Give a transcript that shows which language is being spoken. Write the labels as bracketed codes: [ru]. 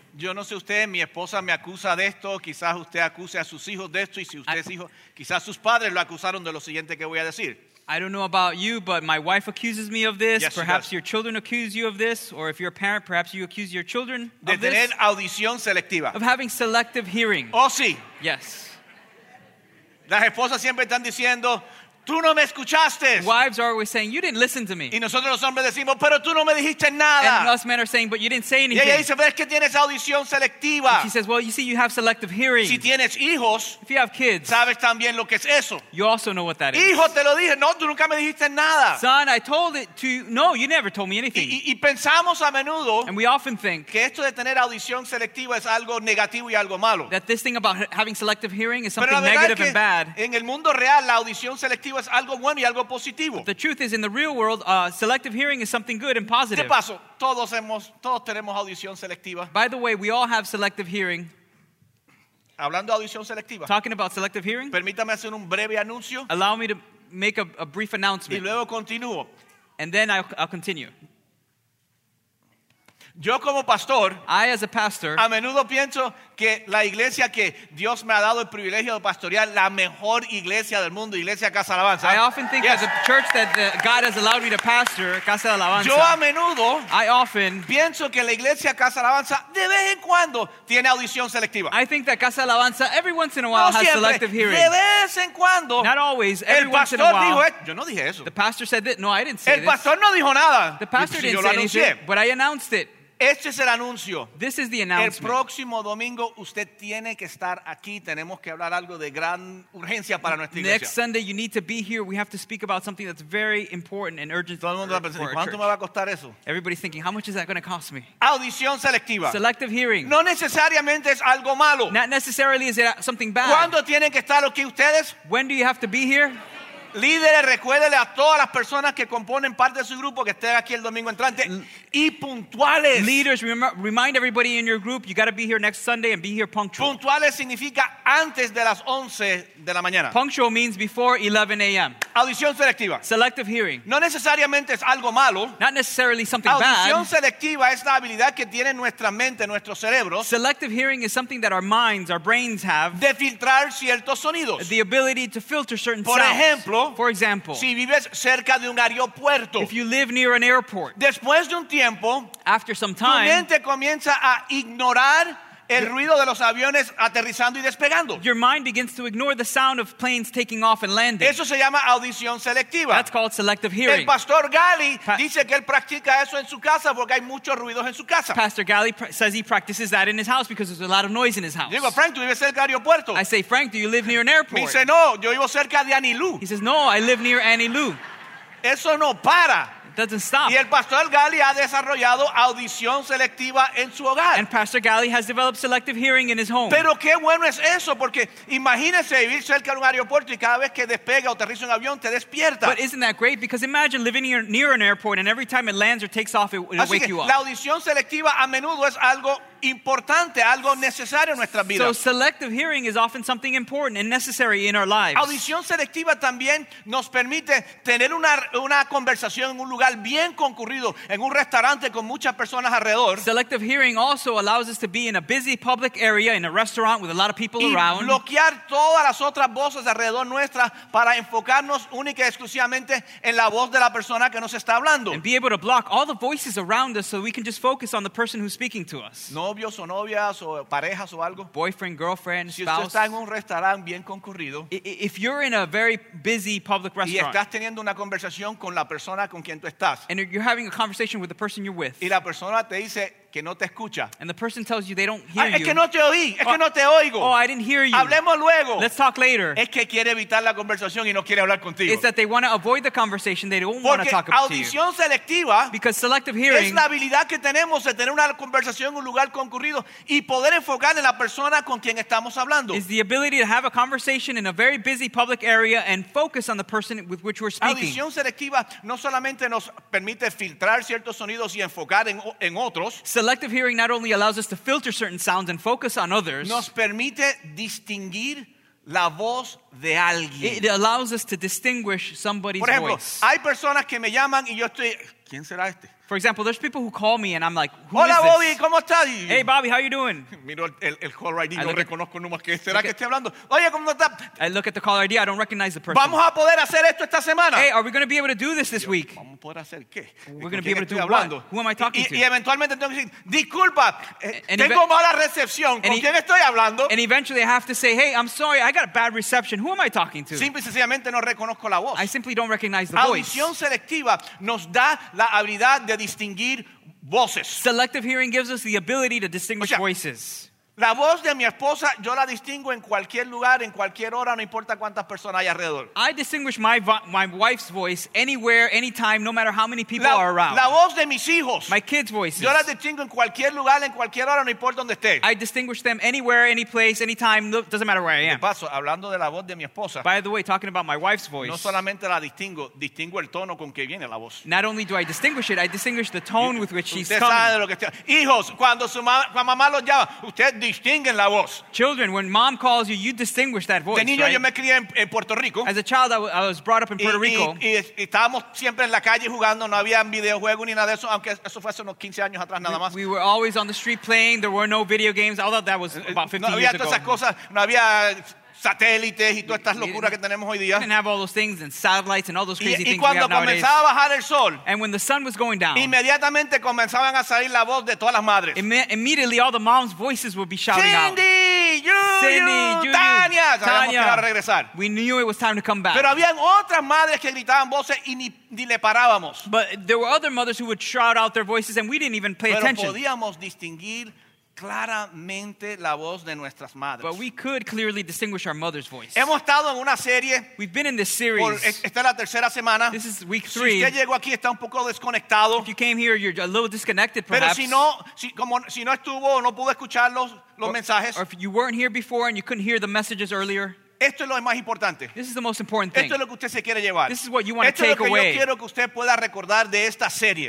[es] Yo no sé usted, mi esposa me acusa de esto, quizás usted acuse a sus hijos de esto, y si usted es hijo, quizás sus padres lo acusaron de lo siguiente que voy a decir. [en] I don't know about you, but my wife accuses me of this. Yes, perhaps your children accuse you of this. Or if you're a parent, perhaps you accuse your children [es] de [en] of this. [es] De tener audición selectiva. [en] Of having selective hearing. [es] Oh, sí. [en] Yes. [es] Las esposas siempre están diciendo, tú no me escuchaste. [en] Wives are always saying, you didn't listen to me. [es] Y nosotros los hombres decimos, pero tú no me dijiste nada. [en] And us men are saying, but you didn't say anything. [es] Y ella dice, ves que tienes audición selectiva. [en] She says, well, you see, you have selective hearing. [es] Si tienes hijos, [en] if you have kids, [es] sabes también lo que es eso. [en] You also know what that is. [es] Hijo, te lo dije, no, tú nunca me dijiste nada. [en] Son, I told it to you. No, you never told me anything. [es] Y pensamos a menudo, [en] and we often think, [es] que esto de tener audición selectiva es algo negativo y algo malo. [en] That this thing about having selective hearing is something negative [es] es que [en] and bad. [es] En el mundo real, la audición selectiva es algo bueno y algo positivo. [en] The truth is, in the real world, selective hearing is something good and positive. [es] ¿Qué pasó? Todos tenemos audición selectiva. [en] By the way, we all have selective hearing. [es] Hablando de audición selectiva. [en] Talking about selective hearing. [es] Permítame hacer un breve anuncio. [en] Allow me to make a brief announcement. [es] Y luego continúo. [en] And then I'll continue. [es] Yo como pastor, [en] I as a pastor, [es] a menudo pienso que la iglesia que Dios me ha dado el privilegio de pastorear, la mejor iglesia del mundo, Iglesia Casa Alabanza. [en] I often think yes. That the church that God has allowed me to pastor, Casa Alabanza. [es] Yo a menudo, [en] I often, [es] pienso que la Iglesia Casa Alabanza de vez en cuando tiene audición selectiva. [en] I think that Casa Alabanza every once in a while [es] no siempre, [en] has selective hearing. [es] De vez en cuando. [en] Not always, every [es] el pastor [en] once in a while, [es] dijo, yo no dije eso. [en] The pastor said that. No, I didn't say [es] el pastor [en] this. [es] No dijo nada. [en] The pastor [es] si [en] didn't [es] yo [en] say [es] lo [en] anything, [es] anuncié. [en] But I announced it. [es] Este es el anuncio. [en] This is the announcement. [es] El próximo domingo usted tiene que estar aquí. Tenemos que hablar algo de gran urgencia para nuestra iglesia. [en] Next Sunday you need to be here. We have to speak about something that's very important and urgent. [es] Todo el mundo está pensando, ¿cuánto me va a costar eso? [en] Everybody's thinking, how much is that going to cost me? [es] Audición selectiva. [en] Selective hearing. [es] No necesariamente es algo malo. [en] Not necessarily is it something bad. [es] ¿Cuándo tienen que estar aquí ustedes? [en] When do you have to be here? [es] Líderes, recuérdele a todas las personas que componen parte de su grupo que estén aquí el domingo entrante y puntuales. [en] Leaders, remind everybody in your group, you got to be here next Sunday and be here punctual. [es] Puntuales significa antes de las 11 de la mañana. [en] Punctual means before 11 a.m. [es] Audición selectiva. [en] Selective hearing. [es] No necesariamente es algo malo. [en] Not necessarily something [es] audición [en] bad. [es] Audición selectiva es la habilidad que tiene nuestra mente, nuestro cerebro. [en] Selective hearing is something that our minds, our brains have. [es] De filtrar ciertos sonidos. [en] The ability to filter certain [es] por [en] sounds. [es] Por ejemplo, [en] for example, [es] si vives cerca de un aeropuerto, [en] if you live near an airport, [es] después de un tiempo, [en] after some time, [es] tu mente comienza a ignorar el ruido de los aviones aterrizando y despegando. [en] Your mind begins to ignore the sound of planes taking off and landing. [es] Eso se llama audición selectiva. [en] That's called selective hearing. [es] El pastor Gally dice que él practica eso en su casa porque hay muchos ruidos en su casa. [en] Pastor Gally says he practices that in his house because there's a lot of noise in his house. [es] Digo, Frank, ¿tú vives cerca del aeropuerto? [en] I say, Frank, do you live near an airport? [es] Me dice, no, yo vivo cerca de Anilú. [en] He says, no, I live near Anilú. [es] Eso no para. [en] Doesn't stop. [es] Y el pastor Gally ha desarrollado audición selectiva en su hogar. [en] And Pastor Gally has developed selective hearing in his home. [es] Pero qué bueno es eso, porque imagínese vivir cerca de un aeropuerto y cada vez que despega o aterriza un avión te despierta. [en] But isn't that great? Because imagine living near an airport and every time it lands or takes off, it will wake you up. [es] La audición selectiva a menudo es algo importante, algo necesario en nuestras vidas. [en] So selective hearing is often something important and necessary in our lives. [es] Audición selectiva también nos permite tener una conversación en un lugar bien concurrido, en un restaurante con muchas personas alrededor. [en] Selective hearing also allows us to be in a busy public area, in a restaurant with a lot of people [es] y [en] around. [es] Y bloquear todas las otras voces alrededor nuestra para enfocarnos única y exclusivamente en la voz de la persona que nos está hablando. [en] And be able to block all the voices around us so we can just focus on the person who's speaking to us. [es] Novios o novias o parejas o algo. [en] Boyfriend, girlfriend, [es] si usted [en] spouse. [es] Está en un restaurante bien concurrido. [en] If you're in a very busy public restaurant. [es] Y estás teniendo una conversación con la persona con quien tú estás. [en] And you're having a conversation with the person you're with. [es] Y la persona te dice que no te escucha. [en] And the person tells you they don't hear [es] es [en] you. [es] Que no te oí, es que no te oigo. [en] Oh, I didn't hear you. [es] Hablemos luego. [en] Let's talk later. [es] Es que quiere evitar la conversación y no quiere hablar contigo. [en] It's that they want to avoid the conversation. They don't [es] porque [en] want to talk to you. [es] Porque audición selectiva. [en] Because selective hearing. [es] Es la habilidad que tenemos de tener una conversación en un lugar concurrido y poder enfocar en la persona con quien estamos hablando. [en] Is the ability to have a conversation in a very busy public area and focus on the person with which we're speaking. [es] Audición selectiva no solamente nos permite filtrar ciertos sonidos y enfocar en otros. [en] Selective hearing not only allows us to filter certain sounds and focus on others. [es] Nos permite distinguir la voz de alguien. [en] It allows us to distinguish somebody's [es] voice. Por ejemplo, [en] voice. [es] Hay personas que me llaman y yo estoy ¿quién será este? [en] For example, there's people who call me and I'm like, who [es] hola, [en] is this? [es] Hola, Bobby, ¿cómo estás? [en] Hey, Bobby, how you doing? [es] Miro el caller ID, no reconozco el número. ¿Será que estoy hablando? Oye, ¿cómo estás? [en] I look at the caller ID, I don't recognize the person. [es] ¿Vamos a poder hacer esto esta semana? [en] Hey, are we going to be able to do this week? [es] ¿Vamos a poder hacer qué? [en] We're going to be able to do hablando? What? Who am I talking to? [es] Y eventualmente tengo que decir, disculpa, tengo mala recepción. ¿Con quién estoy hablando? [en] And eventually I have to say, hey, I'm sorry, I got a bad reception. Who am I talking to? [es] Simple y sencillamente no reconozco la voz. [en] I simply don't recognize the voice. [es] Audición selectiva nos da la habilidad de distinguir voces. [en] Selective hearing gives us the ability to distinguish voices. [es] La voz de mi esposa, yo la distingo en cualquier lugar, en cualquier hora, no importa cuántas personas hay alrededor. [en] I distinguish my wife's voice anywhere, anytime, no matter how many people are around. [es] La voz de mis hijos. [en] My kids' voices. [es] Yo la distingo en cualquier lugar, en cualquier hora, no importa dónde esté. [en] I distinguish them anywhere, any place, anytime, doesn't matter where I am. [es] De paso, hablando de la voz de mi esposa. [en] By the way, talking about my wife's voice. [es] No solamente la distingo, distingo el tono con que viene la voz. [en] Not only do I distinguish it, I distinguish the tone with which she's [es] coming. Usted sabe lo que está. Hijos, cuando su mamá los llama, usted distinguen la voz. [en] Children, when mom calls you, you distinguish that voice. [es] De niño, [en] right? [es] Yo me crié en Puerto Rico. [en] As a child, I was brought up in Puerto Rico. [es] Y estábamos siempre en la calle jugando. No había videojuegos ni nada de eso. Aunque eso fue hace unos 15 años atrás nada más. [en] We were always on the street playing. There were no video games. Although that was about 15 years ago. [es] No había todas esas cosas. No había satélites y todas estas locuras que tenemos hoy día. [en] We didn't have all those things and satellites and all those crazy things we have nowadays. [es] Y cuando comenzaba a bajar el sol, [en] and when the sun was going down, [es] inmediatamente comenzaban a salir la voz de todas las madres. [en] Immediately all the moms' voices would be shouting Cindy, out. [es] Cindy, you, Tania, sabíamos que iba a regresar. [en] We knew it was time to come back. [es] Pero habían otras madres que gritaban voces y ni le parábamos. [en] But there were other mothers who would shout out their voices and we didn't even pay [es] Pero [en] attention. [es] Pero podíamos distinguir claramente la voz de nuestras madres. [en] But we could clearly distinguish our mother's voice. [es] Hemos estado en una serie. [en] We've been in this series. [es] Esta es la tercera semana. [en] This is week 3. [es] Si usted llegó aquí está un poco desconectado. [en] If you came here you're a little disconnected perhaps. [es] Pero si no estuvo o no pudo escuchar los mensajes. [en] Or if you weren't here before and you couldn't hear the messages earlier. [es] Esto es lo más importante. [en] This is the most important thing. [es] Esto es lo que usted se quiere llevar. [en] This is what you want [es] esto [en] to take away. [es] Esto es lo que yo quiero que usted pueda recordar de esta serie.